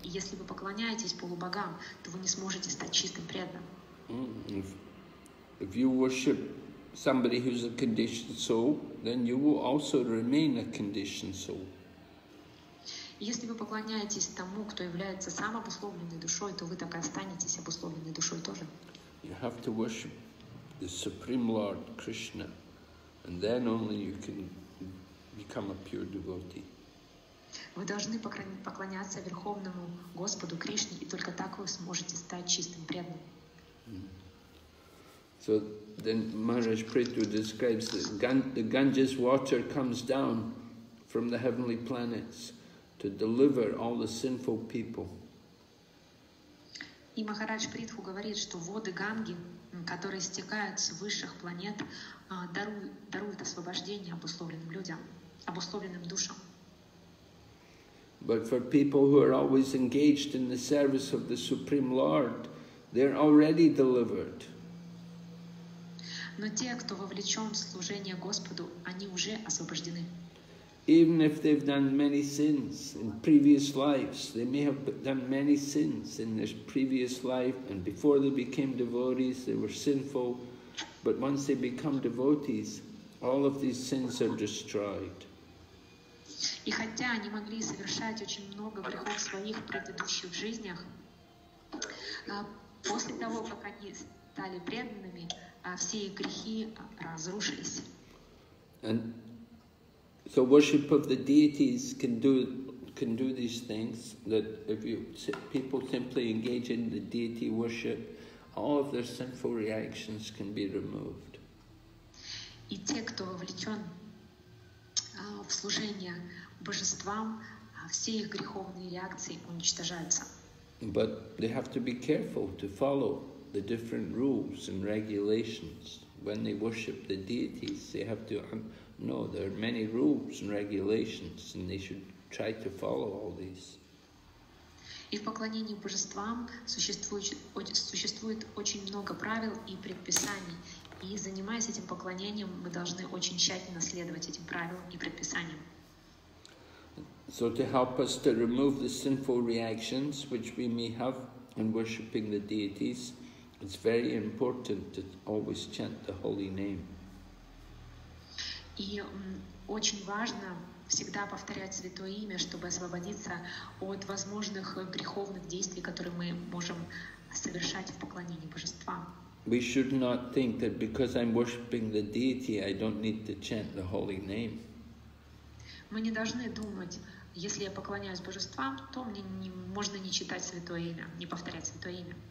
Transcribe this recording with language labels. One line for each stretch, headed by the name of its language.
Russian: И если вы поклоняетесь полубогам, то вы не сможете стать чистым, преданным.
English: If you worship somebody who's a conditioned soul, then you will also remain a conditioned soul.
Russian: Если вы поклоняетесь тому, кто является самообусловленной душой, то вы так и останетесь обусловленной душой тоже.
English: You have to worship the Supreme Lord Krishna, and then only you can become a pure devotee.
Russian: Вы должны поклоняться Верховному Господу Кришне, и только так вы сможете стать чистым, преданным.
English: So then Maharaj Prithu describes that the Ganges water comes down from the heavenly planets to deliver all the sinful people.
Russian: И Махарадж Притху говорит, что воды Ганги, которые стекают с высших планет, даруют освобождение обусловленным людям, обусловленным душам.
English: But for people who are always engaged in the service of the Supreme Lord, they're already delivered.
Russian: Но те, кто вовлечен в служение Господу, они уже освобождены.
English: Even if they've done many sins in previous lives, they may have done many sins in their previous life, and before they became devotees, they were sinful. But once they become devotees, all of these sins are destroyed.
Russian: И хотя они могли совершать очень много грехов в своих предыдущих жизнях, после того, как они стали преданными, все их грехи разрушились.
English: And so worship of the deities can do these things, that if you people simply engage in the deity worship, all of their sinful reactions can be removed.
Russian: И те, кто вовлечен в служение божествам, все их греховные реакции уничтожаются.
English: But they have to be careful to follow the different rules and regulations. When they worship the deities, they have to know there are many rules and regulations, and they should try to follow all these.
Russian: И в поклонении божествам существует очень много правил и предписаний, и занимаясь этим поклонением, мы должны очень тщательно следовать этим правилам и предписаниям.
English: So to help us to remove the sinful reactions which we may have in worshiping the deities, it's very important to always chant the holy name.
Russian: И очень важно всегда повторять святое имя, чтобы освободиться от возможных греховных действий, которые мы можем совершать в поклонении божествам.
English: We should not think that because I'm worshiping the deity, I don't need to chant the holy name.
Russian: Мы не должны думать, если я поклоняюсь божествам, то мне не, можно не читать святое имя, не повторять святое имя.